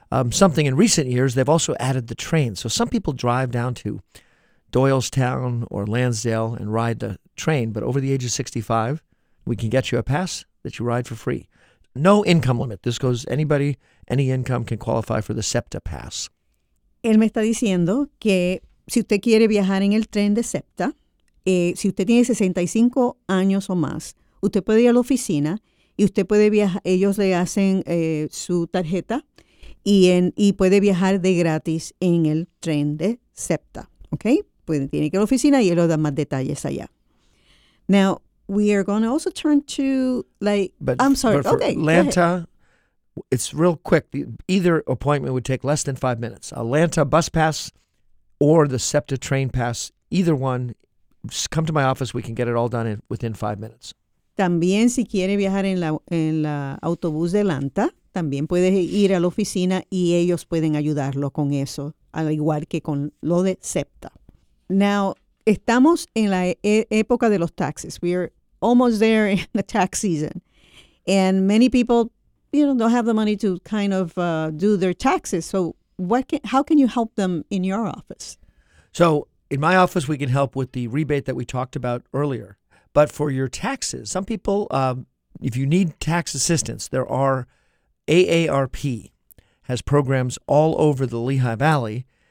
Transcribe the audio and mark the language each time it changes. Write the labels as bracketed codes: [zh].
[en] Something in recent years, they've also added the train. So some people drive down to Doylestown or Lansdale and ride the train. But over the age of 65, we can get you a pass that you ride for free. No income limit. This goes anybody, any income can qualify for the SEPTA pass. [es] Él me está diciendo que si usted quiere viajar en el tren de SEPTA, si usted tiene 65 años o más, usted puede ir a la oficina y usted puede viajar. Ellos le hacen su tarjeta y puede viajar de gratis en el tren de SEPTA. Okay? Puede, tiene que ir a la oficina y él le da más detalles allá. [en] Now, we are going to also turn to, Lanta, it's real quick. Either appointment would take less than 5 minutes. A Lanta bus pass or the SEPTA train pass, either one, come to my office. We can get it all done within 5 minutes. [es] También si quiere viajar en la autobús de Lanta, también puede ir a la oficina y ellos pueden ayudarlo con eso, al igual que con lo de SEPTA. Now, estamos en la época de los taxes. [en] We are almost there in the tax season. And many people, you know, don't have the money to kind of do their taxes. So how can you help them in your office? So in my office, we can help with the rebate that we talked about earlier. But for your taxes, some people, if you need tax assistance, there are AARP has programs all over the Lehigh Valley.